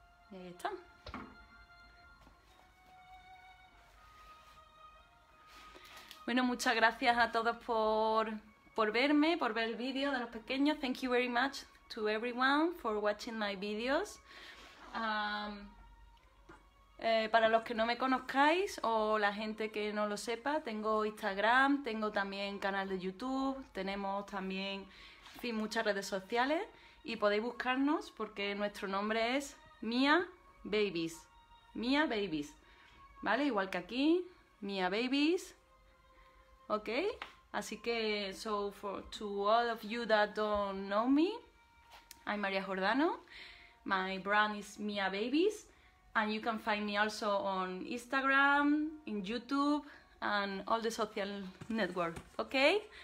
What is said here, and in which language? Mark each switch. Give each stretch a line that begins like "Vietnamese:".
Spanish: Ahí está. Bueno, muchas gracias a todos por verme, por ver el vídeo de los pequeños.
English: Thank you very much to everyone for watching my videos.
Spanish: Para los que no me conozcáis o la gente que no lo sepa, tengo Instagram, tengo también canal de YouTube, tenemos también, en fin, muchas redes sociales y podéis buscarnos porque nuestro nombre es Mía Babies, Mía Babies, ¿vale? Igual que aquí, Mía Babies, ¿ok? Así que,
English: so for to all of you that don't know me, I'm María Jordano, my brand is Mía Babies, and you can find me also on Instagram, in YouTube, and all the social network, ¿ok?